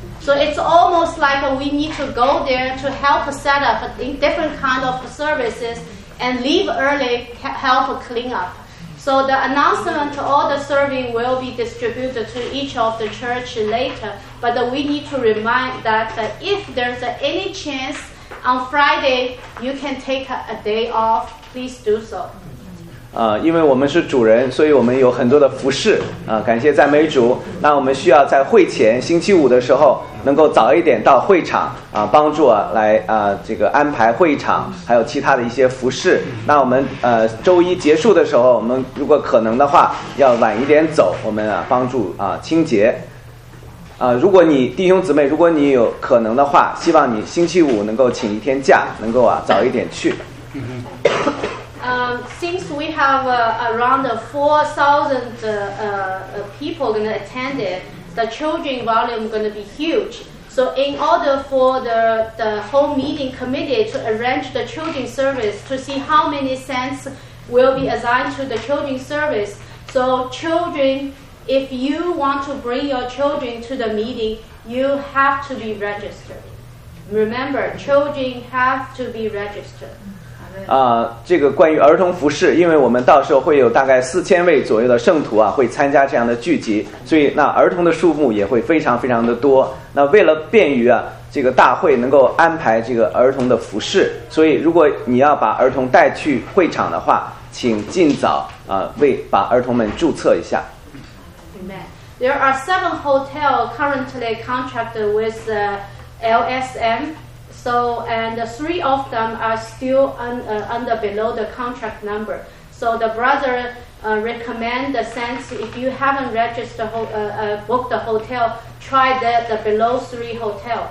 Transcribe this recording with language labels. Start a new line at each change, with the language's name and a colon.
English: So it's almost like we need to go there to help set up different kind of services and leave early, help clean up. So the announcement to all the serving will be distributed to each of the church later. But we need to remind that if there's any chance on Friday, you can take a day off, please do so.
Chinese: 因为我们是主人，所以我们有很多的服侍。感谢赞美主。那我们需要在会前星期五的时候能够早一点到会场帮助来这个安排会场，还有其他的一些服侍。那我们周一结束的时候，我们如果可能的话，要晚一点走，我们帮助清洁。如果你弟兄姊妹，如果你有可能的话，希望你星期五能够请一天假，能够早一点去。
English: Since we have around 4,000 people going to attend it, the children volume going to be huge. So in order for the whole meeting committee to arrange the children service to see how many cents will be assigned to the children service, so children. If you want to bring your children to the meeting, you have to be registered. Remember, children have to be registered.
Chinese: 这个关于儿童服侍，因为我们到时候会有大概4000位左右的圣徒会参加这样的聚集，所以那儿童的数目也会非常非常的多。那为了便于这个大会能够安排这个儿童的服侍，所以如果你要把儿童带去会场的话，请尽早把儿童们注册一下。
English: There are 7 hotels currently contracted with LSM, so, and 3 of them are still under below the contract number. So the brother recommend the sense if you haven't registered, booked the hotel, try the below 3 hotel.